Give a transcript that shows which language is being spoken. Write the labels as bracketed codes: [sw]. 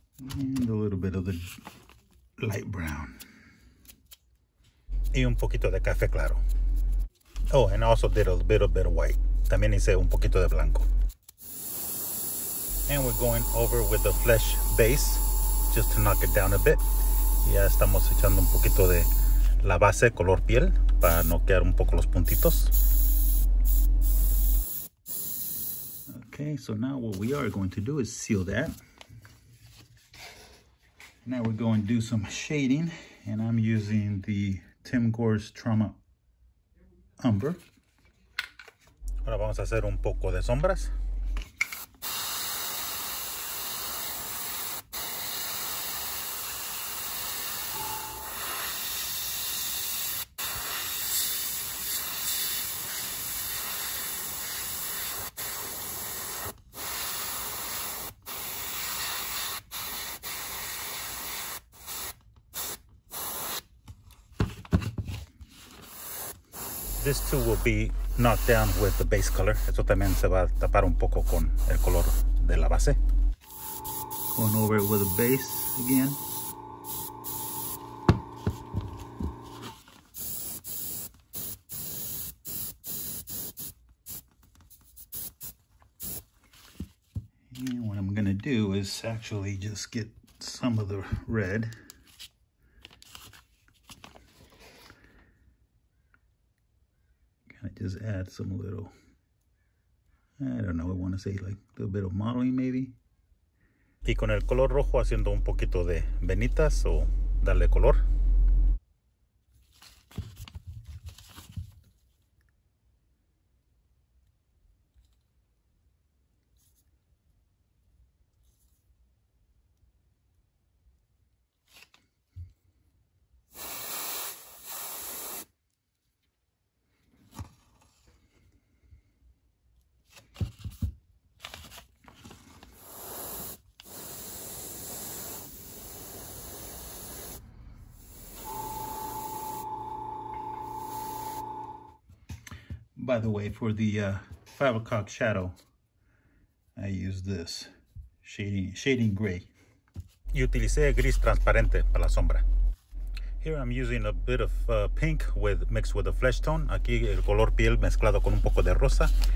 [en] and a little bit of the light brown, [es] y un poquito de café claro. [en] Oh, and also did a little bit of white. [es] También hice un poquito de blanco. [en] And we're going over with the flesh base just to knock it down a bit. [es] Ya estamos echando un poquito de la base color piel para noquear un poco los puntitos. [en] Okay, so now what we are going to do is seal that. Now we're going to do some shading, and I'm using the Tim Gore's Trauma Umber. [es] Ahora vamos a hacer un poco de sombras. [en] This too will be knocked down with the base color. [es] Esto también se va a tapar un poco con el color de la base. [en] Going over it with the base again. And I'm gonna do is actually just get some of the red. Kind of just add some little, I don't know, I want to say like a little bit of modeling maybe. [es] Y con el color rojo haciendo un poquito de venitas o darle color. [en] By the way, for the 5 o'clock shadow, I use this shading gray. [es] Y utilicé gris transparente para la sombra. [en] Here I'm using a bit of pink with mixed with a flesh tone. [es] Aquí el color piel mezclado con un poco de rosa.